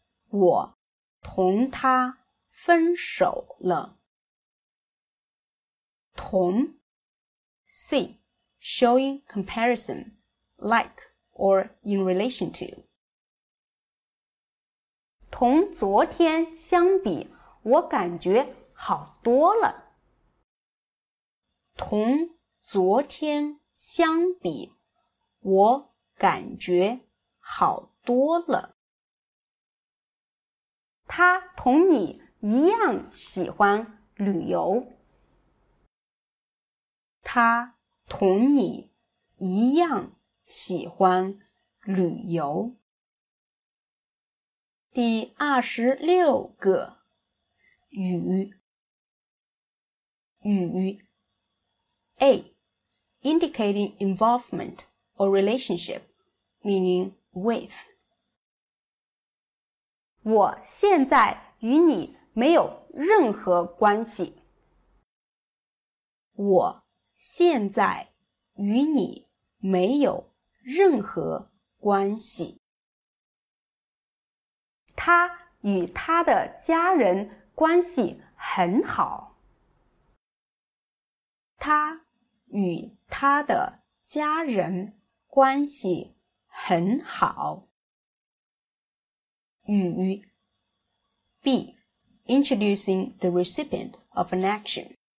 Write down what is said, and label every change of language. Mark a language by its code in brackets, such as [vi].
[zh] 我同他分手了。同。 [en] C. Showing comparison, like or in relation to. [zh] 同昨天相比，我感觉好多了。同昨天相比，我感觉好多了。他同你一样喜欢旅游。他同你一样喜欢旅游。第26个，与。 [en] A. Indicating involvement or relationship, meaning with. [zh] 我现在与你没有任何关系。我现在与你没有任何关系。他与他的家人关系很好。他与他的家人关系很好。与。B. [en] Introducing the recipient of an action.